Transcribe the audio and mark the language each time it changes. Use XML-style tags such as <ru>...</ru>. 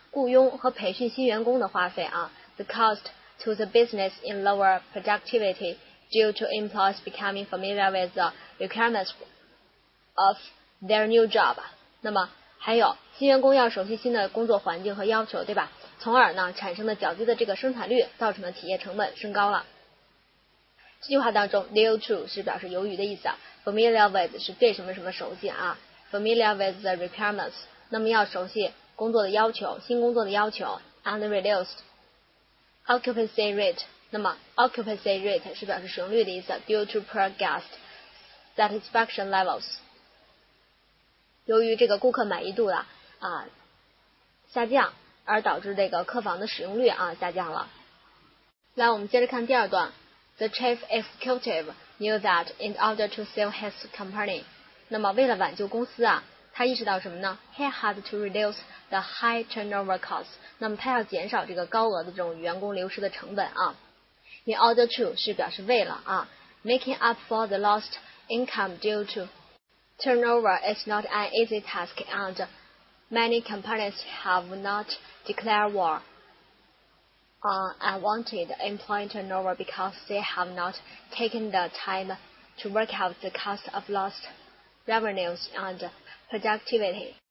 <zh>雇佣和培训新员工的花费啊</zh> <en>,the cost to the business in lower productivity due to employees becoming familiar with the requirements of their new job.</en> <zh>那么还有新员工要熟悉新的工作环境和要求，对吧？从而呢产生的较低的这个生产率造成的企业成本升高了。这句话当中 ,due to 是表示由于的意思啊 ,familiar with 是对什么什么熟悉啊 ,</zh> <en>familiar with the requirements,</en> <zh>那么要熟悉工作的要求，新工作的要求 ,</zh> <en>and reduced occupancy rate,</en> <zh>那么 occupancy rate 是表示使用率的意思 ,</zh> <en>due to poor guest satisfaction levels,</en> <zh>由于这个顾客满意度的啊下降而导致这个客房的使用率啊下降了。来，我们接着看第二段</zh> <en>,the chief executive knew that in order to sell his company,</en> <zh>那么为了挽救公司啊他意识到什么呢</zh> <en>?He had to reduce the high turnover cost.</en> <zh>那么他要减少这个高额的这种员工流失的成本啊。 In order to 是表示为了啊。</zh> <en>Making up for the lost income due to turnover is not an easy task and many companies have not declared war on unwanted employee turnover because they have not taken the time to work out the cost of lost revenues and productivity.</en>